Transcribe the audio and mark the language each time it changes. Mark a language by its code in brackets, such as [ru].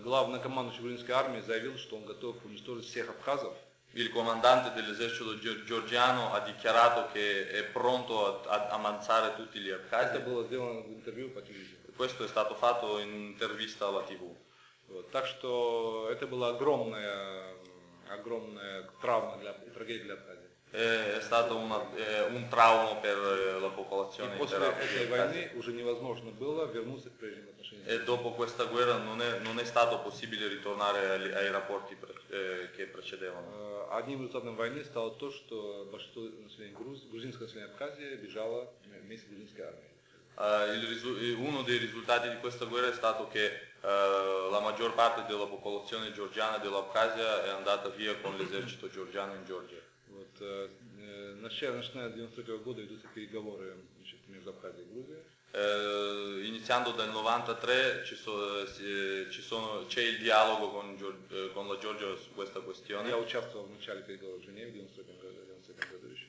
[ru] Главный командующий грузинской армии заявил, что он готов уничтожить всех абхазов. [it] Il comandante dell'esercito georgiano ha dichiarato che è pronto ad ammazzare tutti gli abkhazi. [ru] Это было сделано в интервью по телевизору. [it] Questo è stato fatto in intervista alla TV. [ru] Вот. Так что это была огромная травма для трагедия для Абхазии. Стало [it] un trauma per la popolazione. [ru] После этой войны уже невозможно было вернуться к прежним отношениям. [it] E dopo questa guerra non è stato possibile ritornare ai rapporti che precedevano. [ru] Одним результатом войны стало то, что большинство населения грузинского населения Абхазии бежало вместе с грузинской армией. [it] Uno dei risultati di questa guerra è stato che la maggior parte della popolazione georgiana dell'Abkhazia è andata via con l'esercito georgiano in Georgia. [ru] Вот, начиная с 93 года идут переговоры, значит, между Абхазией и Грузией. [it] Iniziando dal 93 c'è il dialogo con la Georgia su questa questione. [ru] Я участвовал в начале переговоров в Женеве в 93 году.